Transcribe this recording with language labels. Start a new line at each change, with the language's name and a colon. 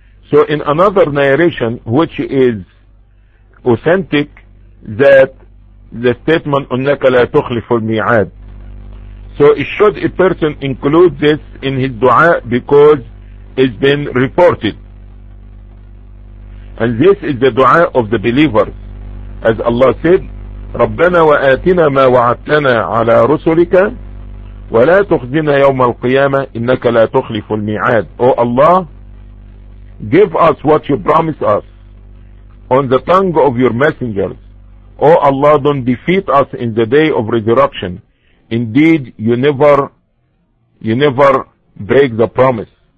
English: So in another narration which is authentic, that the statement
Arabic: أُنَّكَ لَا تُخْلِفُ الْمِيعَادِ.
English: So it should a person include this in his dua because it's been reported. And this is the dua of the believers. As Allah said,
Arabic: ربنا وآتنا ما وعدتنا على رسلك ولا تخزنا يوم القيامة إنك لا تخلف الميعاد.
English: O Allah, give us what you promised us on the tongue of your messengers. O Allah, don't defeat us in the day of resurrection. Indeed, you never break the promise.